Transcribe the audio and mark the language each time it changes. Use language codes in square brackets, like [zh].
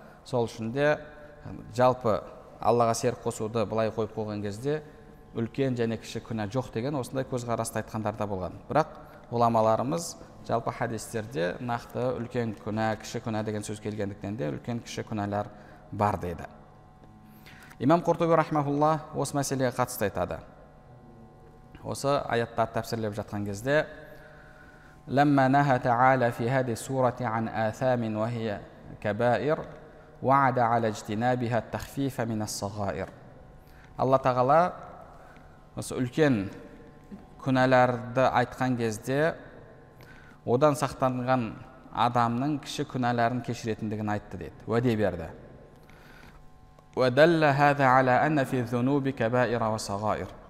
[kk] Сол үшін де жалпы Аллаға серік қосуды былай қойып қойған кезде үлкен және кіші күнә жоқ деген осындай көзқарасты айтқандар да болған. Бірақ ғұламаларымыз жалпы хадистерде нақты үлкен күнә, кіші күнә деген сөз келгендіктен де үлкен кіші күнәлер бар дейді. Имам Қортуби рахмаһулла осы мәселеге қатысты айтады. Осы аяттар тәпсірлеп жатқан кезде [ar] لما نهى تعالى في هذه السورة عن آثام وهي كبائر وعد على اجتنابها التخفيف من الصغائر. [kk] Алла Тағала осы үлкен күнәләрді айтқан кезде одан сақтанған адамның кіші күнәләрін кешіретіндігін айтты деді. Уәде берді. [ar] وَدَلَّ هَذَا عَلَىٰ أَنَّ فِي الذُّنُوبِ كَبَائِرَ وَصَغَائِرَ.